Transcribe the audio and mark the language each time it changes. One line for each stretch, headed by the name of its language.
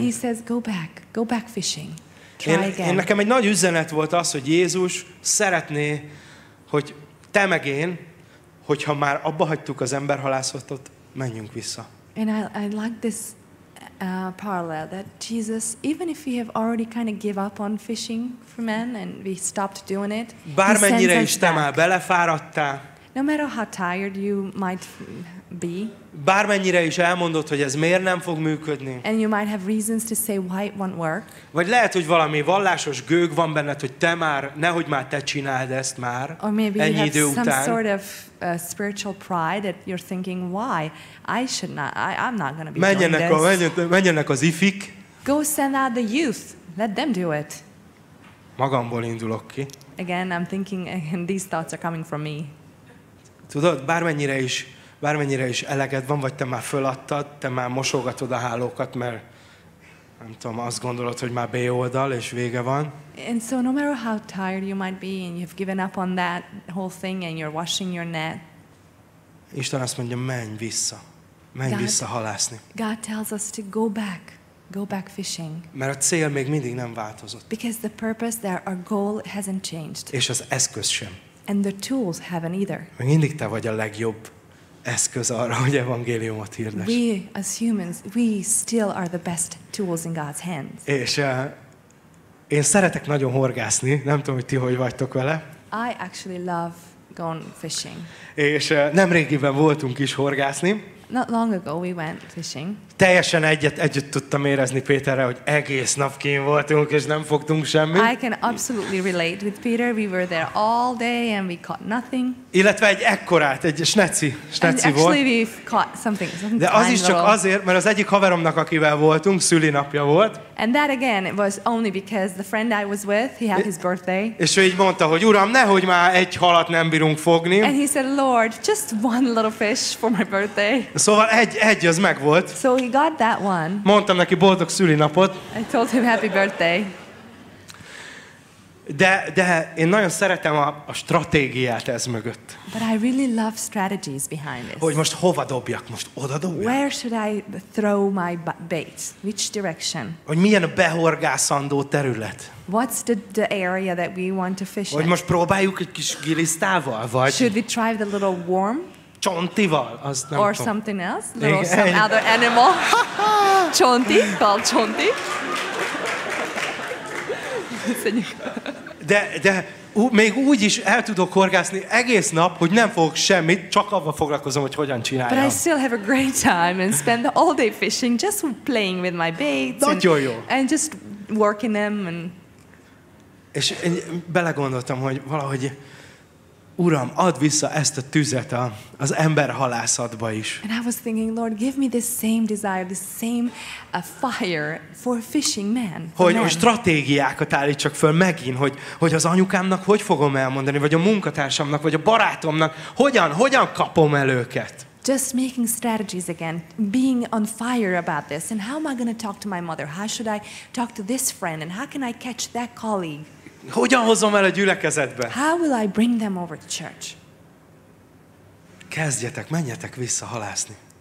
English: And he says, go back fishing. Try again.
Hungarian: Én nekem egy nagy üzenet volt az, hogy Jézus szeretné, hogy te meg én, hogyha már abba hagytuk az emberhalászatot, menjünk vissza.
English: And I like this parallel that Jesus, even if we have already kind of give up on fishing for men and we stopped doing it,
Hungarian: bármennyire is te már belefáradtál,
English: no matter how tired you might be,
Hungarian: bármennyire is elmondod, hogy ez miért nem fog működni,
English: and you might have reasons to say why it won't work,
Hungarian: vagy lehet, hogy valami vallásos gőg van benned, hogy te már, nehogy már te csináld ezt már,
English: or maybe
Hungarian: ennyi
English: you have
Hungarian: idő
English: some
Hungarian: után,
English: sort of spiritual pride that you're thinking why I should not, I'm not going to be
Hungarian: menjenek
English: doing this.
Hungarian: A, menjenek az ifik.
English: Go send out the youth. Let them do it.
Hungarian: Magamból indulok ki.
English: Again, I'm thinking, and these thoughts are coming from me.
Hungarian: Tudod, bármennyire is eleged van, vagy te már föladtad, te már mosogatod a hálókat, mert nem tudom, azt gondolod, hogy már B-oldal, és vége van.
English: And so no matter how tired you might be, and you've given up on that whole thing, and you're washing your net,
Hungarian: Isten azt mondja, menj vissza halászni.
English: God tells us to go back fishing.
Hungarian: Mert a cél még mindig nem változott.
English: Because the purpose there, our goal hasn't changed.
Hungarian: És az eszköz sem.
English: And the tools haven't either.
Hungarian: Még mindig te vagy a legjobb eszköz arra, hogy evangéliumot hirdess.
English: We as humans, we still are the best tools in God's hands.
Hungarian: És én szeretek nagyon horgászni, nem tudom, hogy ti hogy vagytok vele.
English: I actually love gone fishing.
Hungarian: És nem régiben voltunk is horgászni.
English: Not long ago we went fishing.
Hungarian: Teljesen együtt tudtam érezni Péterre, hogy egész nap kín voltunk és nem fogtunk semmit.
English: I can absolutely relate with Peter. We were there all day and we caught nothing.
Hungarian: Illetve egy ekkorát, egy sneci volt.
English: Actually we've caught something.
Hungarian: De az is csak azért, mert az egyik haveromnak, akivel voltunk, szüli napja volt.
English: And that again it was only because the friend I was with, he had his birthday.
Hungarian: És ő így mondta, hogy uram, nehogy már egy halat nem bírunk fogni.
English: And he said, Lord, just one little fish for my birthday.
Hungarian: Szóval egy az meg volt.
English: So he got that one.
Hungarian: Mondtam neki boldog szülinapot.
English: I told him happy birthday.
Hungarian: De én nagyon szeretem a stratégiát ez mögött.
English: But I really love strategies behind this.
Hungarian: Hogy most hova dobjak, most oda dobjak?
English: Where should I throw my bait? Which direction?
Hungarian: Hogy milyen a behorgászandó terület?
English: What's the area that we want to fish?
Hungarian: Hogy most próbáljuk egy kis gilisztával, vagy?
English: Should we try the little worm?
Hungarian: Csontival, azt nem tudom.
English: Or something else, little some other animal.
Hungarian: Csonti, bal csonti. De még úgy is el tudok horgászni egész nap, hogy nem fogok semmit, csak abban foglalkozom, hogy hogyan csináljam.
English: But I still have a great time and spend all day fishing, just playing with my baits.
Hungarian: Nagyon jó.
English: And just working them. And...
Hungarian: És én belegondoltam, hogy valahogy... Uram, add vissza ezt a tüzet az ember halászatba is.
English: And I was thinking, Lord, give me the same desire, the same fire for fishing men.
Hungarian: Hogy a stratégiákat állítsak föl megint, hogy az anyukámnak hogy fogom elmondani, vagy a munkatársamnak, vagy a barátomnak, hogyan kapom el őket?
English: Just making strategies again, being on fire about this, and how am I going to talk to my mother? How should I talk to this friend? And how can I catch that colleague?
Hungarian: Hogyan hozom el a gyülekezetbe?
English: How will I bring them over to church?
Hungarian: Kezdjetek, menjetek vissza halászni.